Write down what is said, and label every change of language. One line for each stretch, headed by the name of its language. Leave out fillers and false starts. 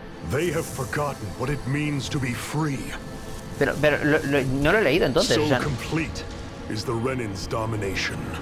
English: They have forgotten what it means to be free.
Spanish: Pero no lo he leído entonces.
English: So complete is the Renin's domination.